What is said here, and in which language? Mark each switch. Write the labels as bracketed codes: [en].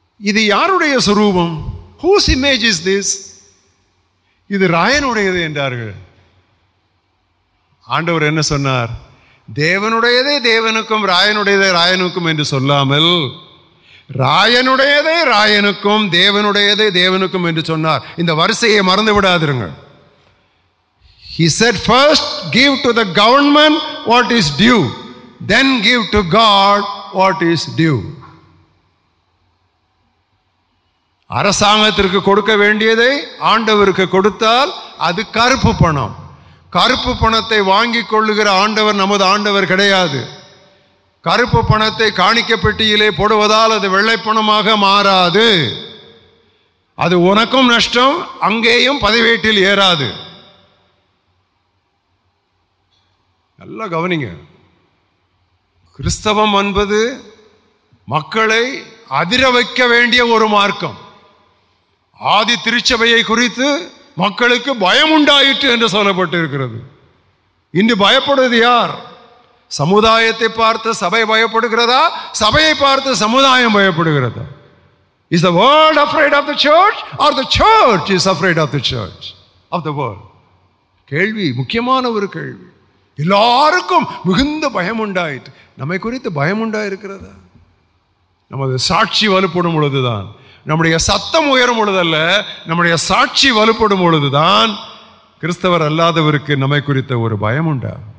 [ta] இது யாருடைய சுரூபம்? [en] Whose image is this? [ta] இது ராயனுடையது என்றார்கள். ஆண்டவர் என்ன சொன்னார்? தேவனுடையதே தேவனுக்கும் ராயனுடையதே ராயனுக்கும் என்று சொல்லாமல் ராயனுடையதே ராயனுக்கும் தேவனுடையதே தேவனுக்கும் என்று சொன்னார். இந்த வரிசையை மறந்து விடாதிருங்கள். [en] He said, first give to the government what is due, then give to God what is due. [ta] அரசாங்கத்திற்கு கொடுக்க வேண்டியதை ஆண்டவருக்கு கொடுத்தால் அது கருப்பு பணம். கருப்பு பணத்தை வாங்கி கொள்ளுகிற ஆண்டவர் நமது ஆண்டவர் கிடையாது. கருப்பு பணத்தை காணிக்க பெட்டியிலே போடுவதால் அது வெள்ளைப்பணமாக மாறாது. அது உனக்கும் நஷ்டம், அங்கேயும் பதவியேட்டில் ஏறாது. நல்லா கவனிங்க. கிறிஸ்தவம் என்பது மக்களை அதிர வைக்க வேண்டிய ஒரு மார்க்கம். ஆதி திருச்சபையை குறித்து மக்களுக்கு பயம் உண்டாயிற்று என்று சொல்லப்பட்டிருக்கிறது. இன்று பயப்படுவது யார்? சமுதாயத்தை பார்த்து சபை பயப்படுகிறதா, சபையை பார்த்து சமுதாயம் பயப்படுகிறதா? [en] Is the world afraid of the church or the church is afraid of the church of the world? [ta] கேள்வி, முக்கியமான ஒரு கேள்வி. எல்லாருக்கும் மிகுந்த பயம் உண்டாயிற்று. நம்மை குறித்து பயம் உண்டாயிருக்கிறதா? நமது சாட்சி வலுப்படும் பொழுதுதான், நம்முடைய சத்தம் உயரும் பொழுதல்ல, நம்முடைய சாட்சி வலுப்படும் பொழுதுதான் கிறிஸ்தவர் அல்லாதவருக்கு நம்மை குறித்த ஒரு பயம் உண்டா?